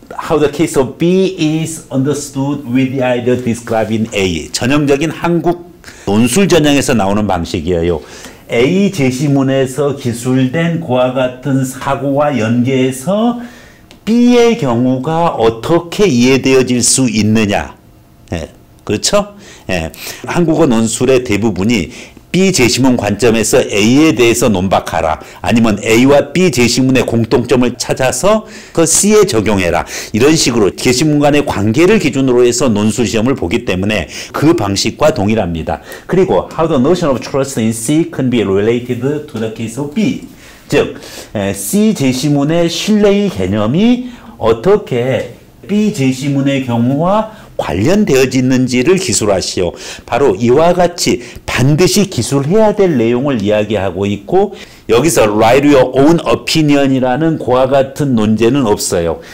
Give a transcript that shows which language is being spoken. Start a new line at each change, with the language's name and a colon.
English: How the case of B is understood with the idea described in A.
Korean: 전형적인 한국 논술 전형에서 나오는 방식이에요. A 제시문에서 기술된 그와 같은 사고와 연계해서 B의 경우가 어떻게 이해되어질 수 있느냐. 예, 그렇죠? 예, 한국어 논술의 대부분이 B 제시문 관점에서 A에 대해서 논박하라. 아니면 A와 B 제시문의 공통점을 찾아서 그 C에 적용해라. 이런 식으로 제시문 간의 관계를 기준으로 해서 논술 시험을 보기 때문에 그 방식과 동일합니다. 그리고
English: How the notion of trust in C can be related to the case of B.
Korean: 즉, C 제시문의 신뢰의 개념이 어떻게 B 제시문의 경우와 관련되어지는지를 기술하시오. 바로 이와 같이 반드시 기술해야 될 내용을 이야기하고 있고 여기서
English: write your own opinion
Korean: 이라는 그와 같은 논제는 없어요.